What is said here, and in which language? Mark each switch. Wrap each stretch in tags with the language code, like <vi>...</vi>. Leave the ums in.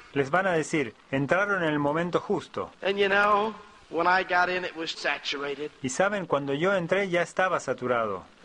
<es>van a decir, entraron en el momento justo.</es> <en>And you know, when I got in it was</en> <es>y saben, cuando yo entré ya estaba saturado.</es>